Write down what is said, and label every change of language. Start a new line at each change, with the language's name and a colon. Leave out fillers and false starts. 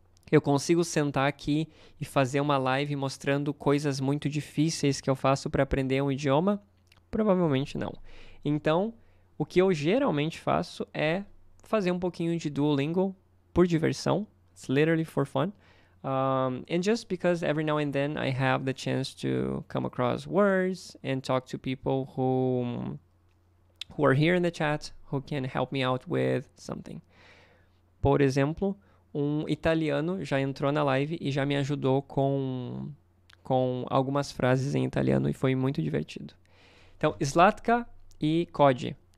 Portuguese: Eu consigo sentar aqui e fazer uma live mostrando coisas muito difíceis que eu faço para aprender um idioma? Provavelmente não. Então, o que eu geralmente faço é fazer um pouquinho de Duolingo por diversão.
English: It's literally for fun. And just because every now and then I have the chance to come across words and talk to people who are here in the chat, who can help me out with something.
Portuguese: Por exemplo, italiano já entrou na live e já me ajudou com algumas frases em italiano e foi muito divertido. Então, Zlatka e Kodi.